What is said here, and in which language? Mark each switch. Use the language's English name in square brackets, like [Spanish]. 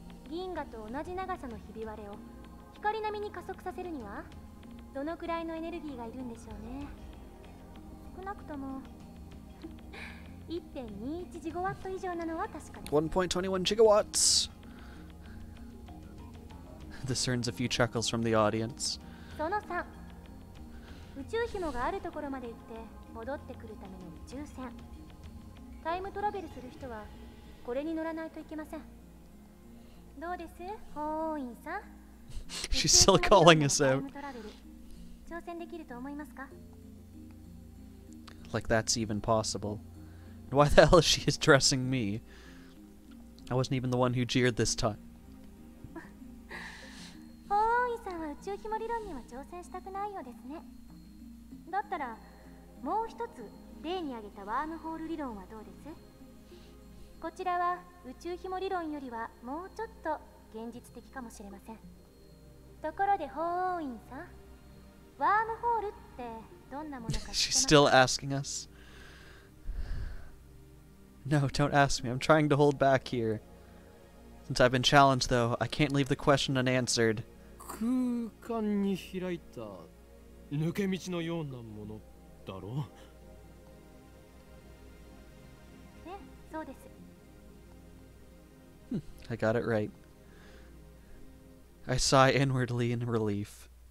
[Japanese] 銀河と同じ長さのひび割れを光並みに加速させるには、どのくらいのエネルギーがいるんでしょうね。少なくとも 1.21 ジガワット以上なのは確かです。 1.21 ジガワッツ。 [English] This earns a few chuckles from the audience. [Japanese] その3、宇宙紐があるところまで行って戻ってくるための宇宙船。タイムトラベルする人はこれに乗らないといけません。どうです、法院さん。 [English] She's still calling us out. [Japanese] 挑戦できると思いますか? [English] Like that's even possible. Why the hell is she addressing me? I wasn't even the one who jeered this time. [Japanese] 鳳凰さんは宇宙ひも理論には挑戦したくないようですね。だったら、もう一つ例に挙げたワームホール理論はどうです? こちらは宇宙ひも理論よりはもうちょっと現実的かもしれません。ところで鳳凰院さん、ワームホールってどんなものか知ってますか? [English] She's still asking us. No, don't ask me. I'm trying to hold back here. Since I've been challenged, though, I can't leave the question unanswered. [Japanese] 空間に開いた抜け道のようなものだろう? え、そうです。 [English] I got it right. I sigh inwardly in relief.